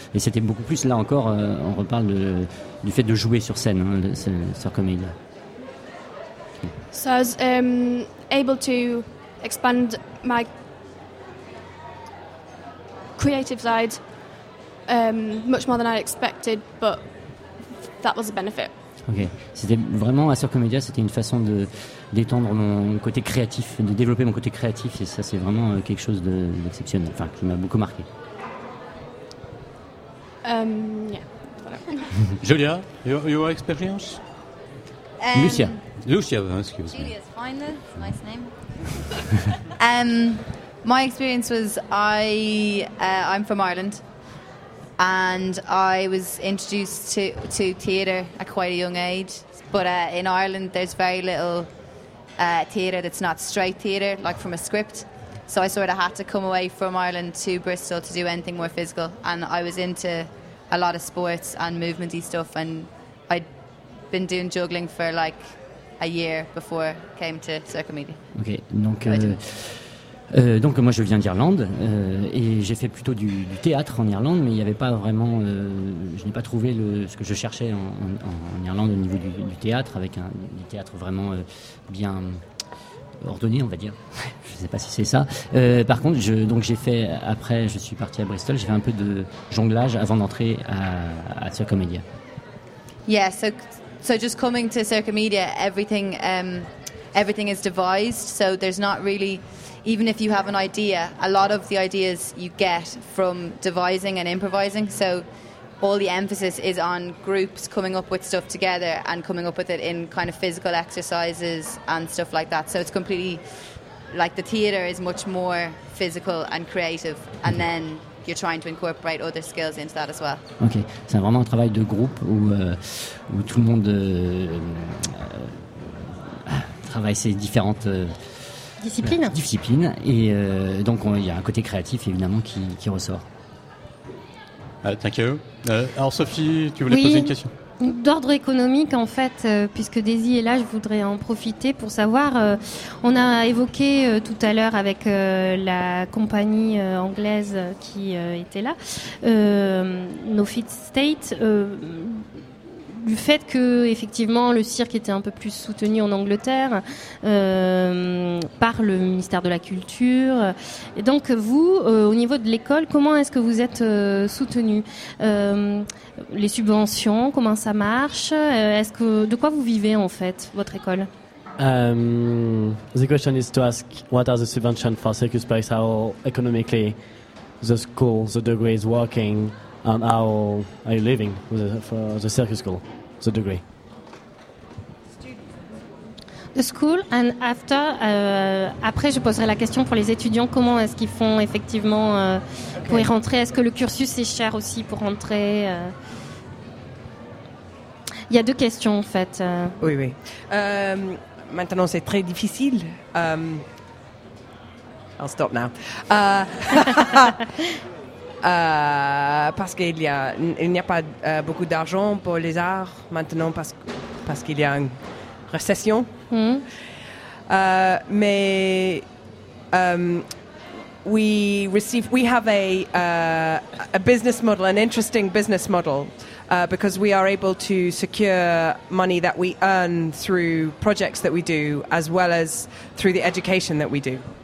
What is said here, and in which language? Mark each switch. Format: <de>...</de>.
<fr>Et c'était beaucoup plus, là encore, on reparle du fait de jouer sur scène, hein, sur Comédia.</fr> <en>So I was able to expand my creative side much more than I expected, but that was a benefit.</en> <fr>Ok, c'était vraiment à Surcomédia, c'était une façon d'étendre mon côté créatif, de développer mon côté créatif, et ça c'est vraiment quelque chose d'exceptionnel, enfin qui m'a beaucoup marqué.</fr> <en>Julia, your experience? Lucia, excuse me. Julia's fine then, nice name. My experience was I'm from Ireland. And I was introduced to theatre at quite a young age. But in Ireland, there's very little theatre that's not straight theatre, like from a script. So I sort of had to come away from Ireland to Bristol to do anything more physical. And I was into a lot of sports and movement-y stuff. And I'd been doing juggling for like a year before I came to Circomedia.</en> <fr>Okay, donc... donc moi je viens d'Irlande et j'ai fait plutôt du théâtre en Irlande, mais il n'y avait pas vraiment, je n'ai pas trouvé ce que je cherchais en Irlande au niveau du théâtre, avec un théâtre vraiment bien ordonné, on va dire. Je ne sais pas si c'est ça. Par contre, je suis parti à Bristol, j'ai fait un peu de jonglage avant d'entrer à Circomedia.</fr> <en>Yeah, so just coming to Circomedia, everything is devised, so there's not really. Even if you have an idea, a lot of the ideas you get from devising and improvising. So all the emphasis is on groups coming up with stuff together and coming up with it in kind of physical exercises and stuff like that. So it's completely, like, the theatre is much more physical and creative. And then you're trying to incorporate other skills into that as well. Okay.</en> <fr>C'est vraiment un travail de groupe où tout le monde travaille ses différentes... Discipline. Et donc il y a un côté créatif évidemment qui ressort.</fr> <en>Thank you.</en> <fr>Alors Sophie, tu voulais poser une question. D'ordre économique en fait, puisque Daisy est là, je voudrais en profiter pour savoir, on a évoqué tout à l'heure avec la compagnie anglaise qui était là, No Fit State, du fait que effectivement le cirque était un peu plus soutenu en Angleterre par le ministère de la Culture. Et donc vous, au niveau de l'école, comment est-ce que vous êtes soutenu? Les subventions, comment ça marche? Est-ce que de quoi vous vivez en fait, votre école?</fr> <en>The question is to ask what are the subventions for Circus Paris, how economically the school, the degree is working, and how are you living with for the circus school? The degree. The school and after.</en> <fr>Après, je poserai la question pour les étudiants. Comment est-ce qu'ils font effectivement pour y rentrer? Est-ce que le cursus est cher aussi pour rentrer? Il y a deux questions en fait. Oui. Maintenant, c'est très difficile.</fr> <en>I'll stop now.</en> <fr>parce qu'il y a, il n'y a pas beaucoup d'argent pour les arts maintenant parce qu'il y a une récession. Mais</fr> <en>we have a business model, an interesting business model, because we are able to secure money that we earn through projects that we do as well as through the education that we do.</en>